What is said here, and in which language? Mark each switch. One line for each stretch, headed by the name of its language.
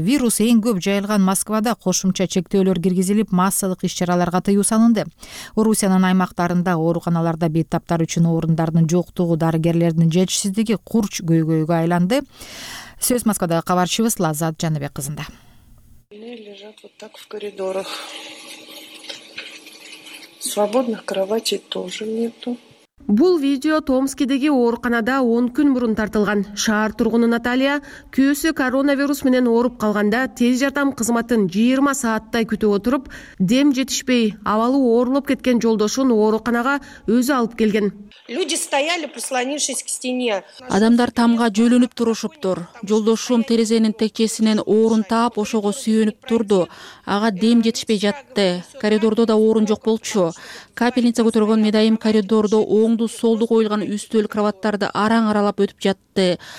Kyrgyz: Вирус эң көп жайылган Москвада кошумча чектөөлөр киргизилип, массалык иш-чараларга тыюу салынды. Орусиянын аймактарында ооруканаларда бейтаптар үчүн орундардын жоктугу, дарыгерлердин жетишсиздиги курч көйгөйгө айланды. Сөз Москвадагы кабарчыбыз Лаззат Жаныбек кызында.
Russian: Они лежат вот так в коридорах. Свободных кроватей тоже нету.
Kyrgyz: Бул видео Томскидеги ооруканада 10 күн мурун тартылган. Шаар тургуну Наталья күйөөсү коронавирус менен ооруп калганда тез жардам кызматын 20 сааттай күтүп отуруп, дем жетишпей, абалы оорлоп кеткен жолдошун ооруканага өзү алып келген.
Russian: Люди стояли, прислонившись к стене.
Kyrgyz: Адамдар тамга жөлүнүп турушуптур. Жолдошум терезенин текчесинен орун таап, ошого сүйүнүп турду. Ага дем жетишпей жатты. Коридордо да орун жок болчу. Капельница көтөргөн медайым коридордо оңду солду коюлган үстөл кроваттарды араң аралап өтүп жатты.